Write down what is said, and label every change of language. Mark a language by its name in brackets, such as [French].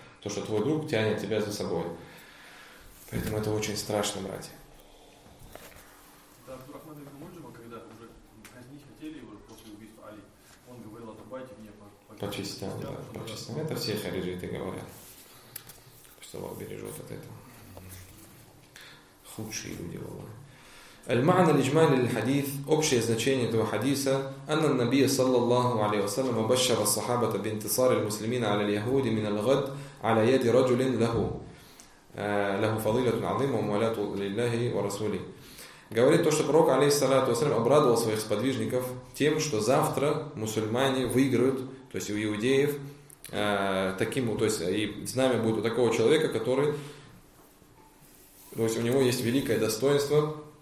[Russian] То, что твой друг тянет тебя за собой. Поэтому это очень страшно, братья. Да, Абдур-Рахман ибн Мульджима, когда уже казнить хотели его после убийства Али, он говорил, отрубайте мне по частям. Да, по частям. Это все хариджиты говорят. Что Аллах бережет от этого. Худшие люди, Аллах. [Arabic] المعنى الإجمالي للحديث [Russian] общее значение этого хадиса [Arabic] أن النبي صلى الله عليه وسلم بشر الصحابة بانتصار المسلمين على اليهود من الغد على يد رجل له فضيلة عظيمة ومولاة لله ورسوله. [Russian] Говорит то, что пророк алейхиссалату вассалям обрадовал своих сподвижников тем, что завтра мусульмане выиграют, то есть у иудеев таким, то есть и знамя будет у такого человека, который, то есть у него есть великое достоинство.